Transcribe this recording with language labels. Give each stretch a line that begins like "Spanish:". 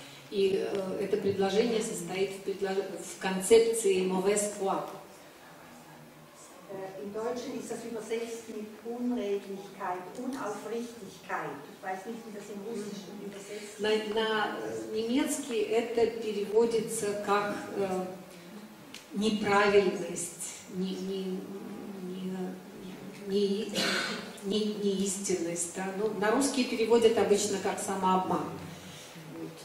Russian: И это предложение состоит в концепции «mauvaise foi».
German: Im Deutschen ist das übersetzt mit Unredlichkeit, Unaufrichtigkeit. Ich weiß nicht, wie das im Russischen übersetzt.
Russian: На немецкий это переводится как неправильность, неистинность. Да? Ну, на русский переводят обычно как самообман. Вот.